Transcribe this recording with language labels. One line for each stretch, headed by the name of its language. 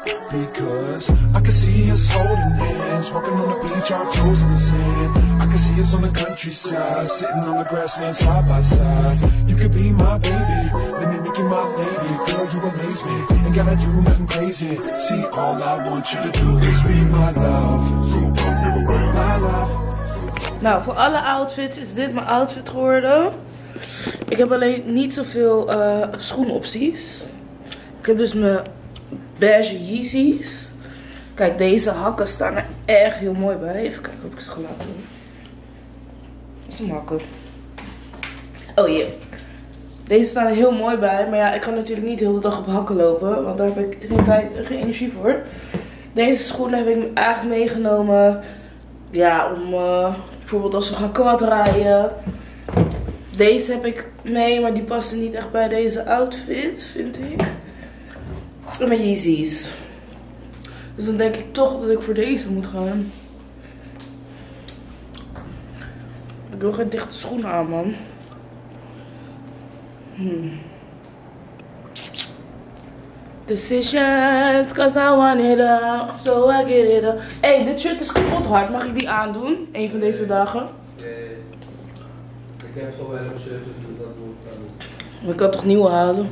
English: Because I can see us holding hands, walking on the beach, our toes in the sand. I can see us on the countryside, sitting on the grassland side by side. You could be my baby, let me make you my lady. Girl, you amaze me, ain't gotta do nothing crazy. See, all I want you to do is be my love. So come give away my love.
Dutch: Nou, voor alle outfits is dit mijn outfit geworden. Ik heb alleen niet zoveel schoenopties. Ik heb dus mijn beige Yeezys. Kijk, deze hakken staan er echt heel mooi bij. Even kijken of ik ze gelaten heb. Dat is makkelijk. Oh jee. Deze staan er heel mooi bij. Maar ja, ik kan natuurlijk niet de hele dag op hakken lopen. Want daar heb ik geen tijd en geen energie voor. Deze schoenen heb ik eigenlijk meegenomen. Ja, om bijvoorbeeld als we gaan quad rijden. Deze heb ik mee, maar die past niet echt bij deze outfit, vind ik. Met Yeezys. Dus dan denk ik toch dat ik voor deze moet gaan. Ik wil geen dichte schoenen aan, man.
English: Decisions, cause I want it all, so I get it all.
Dutch: Hey, dit shirt is kapot hard. Mag ik die aandoen? Een van deze dagen? Nee. Ik heb gewoon weinig shirt, dus dat moet ik aan doen. Maar ik kan toch nieuwe halen?